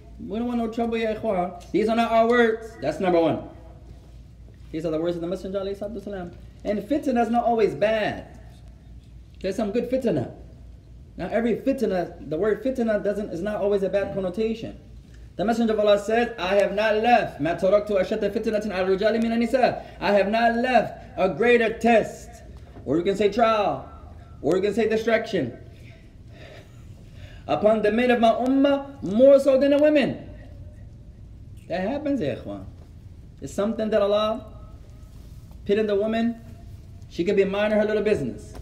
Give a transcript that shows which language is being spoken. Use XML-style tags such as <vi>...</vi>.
<en>We don't want no trouble, ya ikhwan. These are not our words. That's number one. These are the words of the Messenger, alayhi salatu wasalam. And fitna is not always bad. There's some good fitna. Now every fitna, the word fitna is not always a bad connotation. The Messenger of Allah said, I have not left,</en> <ar>ما تركت أشد فتنة على الرجال من النساء.</ar> <en>I have not left a greater test, or you can say trial, or you can say distraction, upon the men of my ummah, more so than the women. That happens, ya ikhwan. It's something that Allah put in the woman. She could be minding her little business.</en>